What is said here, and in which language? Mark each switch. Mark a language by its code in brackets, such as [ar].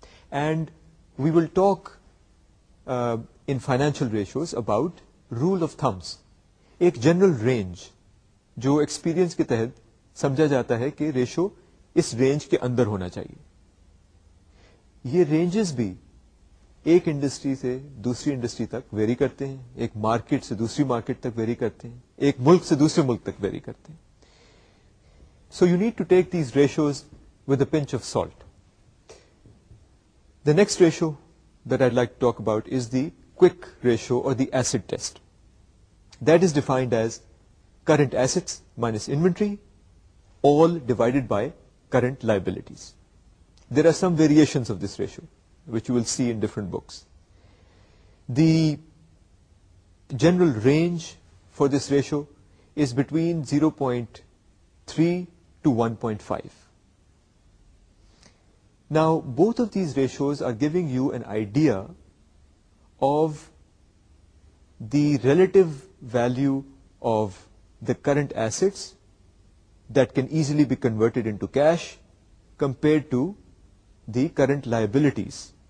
[en] and we will talk in financial ratios about rule of thumbs, [ur] ایک general range جو experience کے تحت سمجھا جاتا ہے کہ ریشو اس رینج کے اندر ہونا چاہیے. یہ رینجز بھی ایک انڈسٹری سے دوسری انڈسٹری تک ویری کرتے ہیں، ایک مارکیٹ سے دوسری مارکیٹ تک ویری کرتے ہیں، ایک ملک سے دوسرے ملک تک ویری کرتے ہیں. [en] So you need to take these ratios with a pinch of salt. The next ratio that I like to talk about is the quick ratio or the acid test. That is defined as current assets minus inventory all divided by current liabilities. There are some variations of this ratio which you will see in different books. The general range for this ratio is between 0.3 to 1.5. Now, both of these ratios are giving you an idea of the relative value of the current assets that can easily be converted into cash compared to the current liabilities.